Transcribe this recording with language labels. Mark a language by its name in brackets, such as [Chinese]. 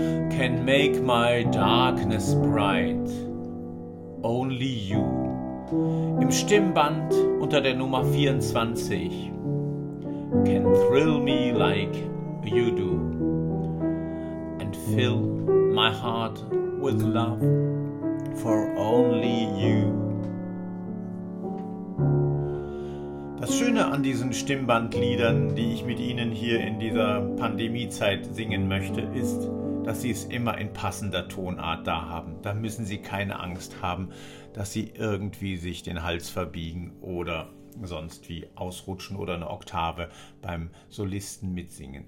[English] Can make my darkness bright. Only you. [German] Im Stimmband unter der Nummer 24. [English] Can thrill me like you do. And fill my heart with love for only you. [German] Das Schöne an diesen Stimmbandliedern, die ich mit Ihnen hier in dieser Pandemiezeit singen möchte, ist, dass Sie es immer in passender Tonart da haben. Da müssen Sie keine Angst haben, dass Sie irgendwie sich den Hals verbiegen oder sonst wie ausrutschen oder eine Oktave beim Solisten mitsingen.